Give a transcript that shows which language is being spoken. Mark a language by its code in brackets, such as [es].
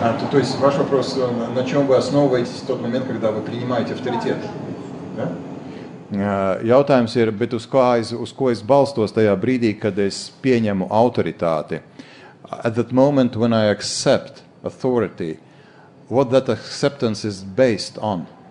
[ru] То есть ваш вопрос, на чем вы основываетесь в тот момент, когда вы принимаете авторитет? [lv] Jautājums ir, bet uz ko es balstos tajā brīdī, kad es pieņemu autoritāti? [en] At that moment when I accept authority, what that acceptance is based on?